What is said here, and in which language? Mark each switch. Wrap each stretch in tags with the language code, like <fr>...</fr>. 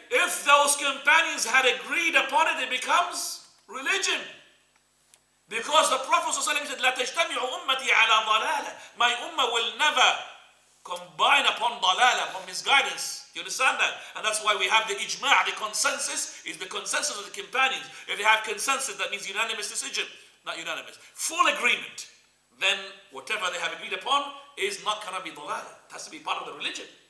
<en>If those companions had agreed upon it, it becomes religion. Because the Prophet ﷺ said,</en> <ar>لَا تَجْتَمِعُ أُمَّتِي عَلَى ضَلَالَةٍ.</ar> <en>My ummah will never combine upon ضَلَالَةٍ, upon misguidance. You understand that? And that's why we have the ijma', the consensus, is the consensus of the companions. If they have consensus, that means unanimous decision. Not unanimous. Full agreement. Then whatever they have agreed upon is not going to be ضَلَالَةٍ. It has to be part of the religion.</en>